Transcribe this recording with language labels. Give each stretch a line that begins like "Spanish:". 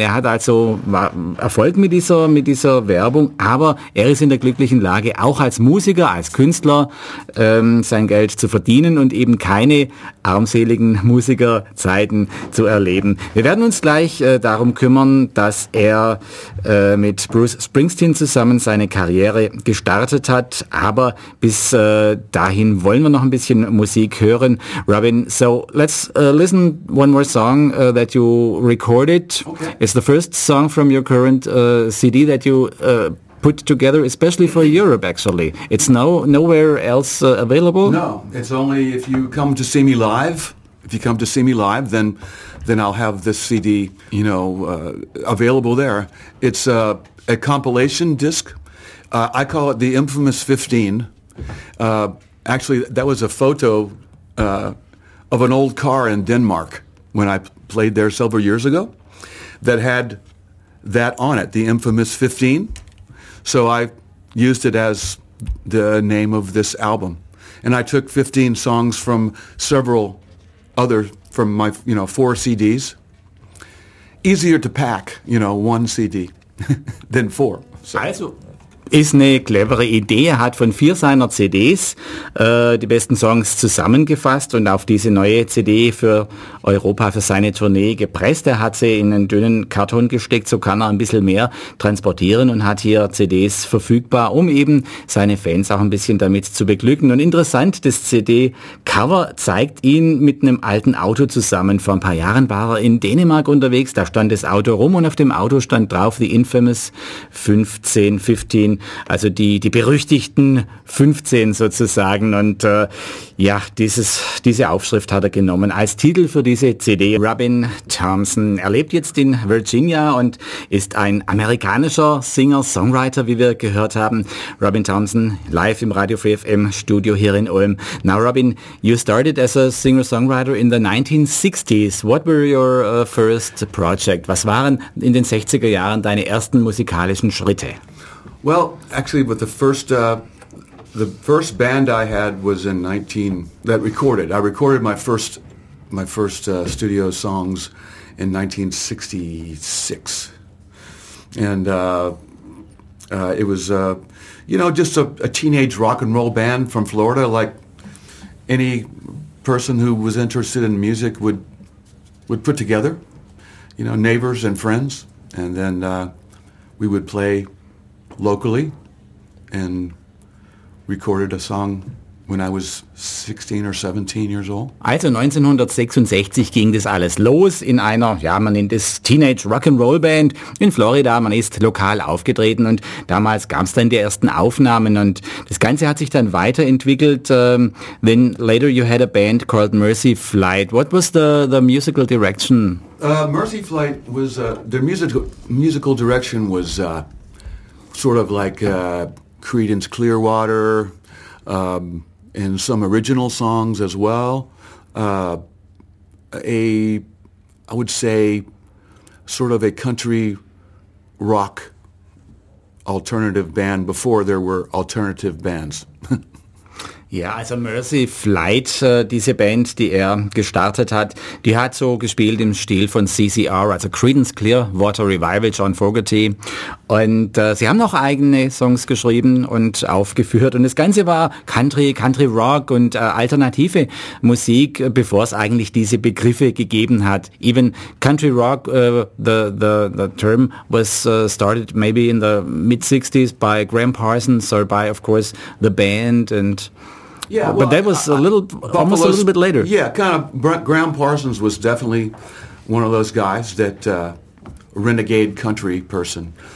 German: Er hat also Erfolg mit dieser Werbung, aber er ist in der glücklichen Lage, auch als Musiker, als Künstler sein Geld zu verdienen und eben keine armseligen Musikerzeiten zu erleben. Wir werden uns gleich darum kümmern, dass er mit Bruce Springsteen zusammen seine Karriere gestartet hat, aber bis dahin wollen wir noch ein bisschen Musik hören.
English: Robin, so let's listen one more song that you recorded. Okay. It's the first song from your current CD that you put together, especially for Europe, actually. It's nowhere else available? No, it's only if you come to see me live. If you come to see me live, then I'll have this CD, you know, available there. It's a compilation disc. I call it the infamous 15. Actually, that was a photo of an old car in Denmark when I played there several years ago that had that on it, the infamous 15. So I used it as the name of this album. And I took 15 songs from several other, from my, you know, four CDs. Easier to pack, you know, one CD than four. So.
German: Also, ist eine clevere Idee. Er hat von vier seiner CDs die besten Songs zusammengefasst und auf diese neue CD für Europa, für seine Tournee gepresst. Er hat sie in einen dünnen Karton gesteckt, so kann er ein bisschen mehr transportieren und hat hier CDs verfügbar, um eben seine Fans auch ein bisschen damit zu beglücken. Und interessant, das CD-Cover zeigt ihn mit einem alten Auto zusammen. Vor ein paar Jahren war er in Dänemark unterwegs, da stand das Auto rum und auf dem Auto stand drauf The Infamous 1515. Also die berüchtigten 15 sozusagen. Und ja, diese Aufschrift hat er genommen als Titel für diese CD. Robin Thompson. Er lebt jetzt in Virginia und ist ein amerikanischer Singer-Songwriter, wie wir gehört haben. Robin Thompson, live im Radio Free FM Studio hier in Ulm.
English: Now Robin, you started as a singer-songwriter in the 1960s. What were your first project?
German: Was waren in den 60er Jahren deine ersten musikalischen Schritte?
English: Well, actually, with the first band I had was in 19 that recorded. I recorded my first studio songs in 1966, and it was you know, just a teenage rock and roll band from Florida, like any person who was interested in music would put together, you know, neighbors and friends, and then we would play locally and recorded a song when I was 16 or 17 years old.
German: Also 1966 ging das alles los in einer, ja, man nennt es Teenage Rock'n'Roll Band in Florida. Man ist lokal aufgetreten und damals gab es dann die ersten Aufnahmen und das Ganze hat sich dann weiterentwickelt.
English: Then later you had a band called Mercy Flight. What was the musical direction? Mercy Flight was, their musical direction was sort of like Creedence Clearwater, and some original songs as well. I would say, sort of a country rock alternative band before there were alternative bands.
German: Ja, also Mercy Flight, diese Band, die er gestartet hat, die hat so gespielt im Stil von CCR, also Creedence Clearwater Revival, John Fogerty. Und sie haben noch eigene Songs geschrieben und aufgeführt. Und das Ganze war Country Rock und alternative Musik, bevor es eigentlich diese Begriffe gegeben hat.
English: Even Country Rock, the term was started maybe in the mid-60s by Gram Parsons, so by, of course, the band and... Yeah, well, but that was almost a little bit later. Yeah, kind of. Gram Parsons was definitely one of those guys that renegade country person.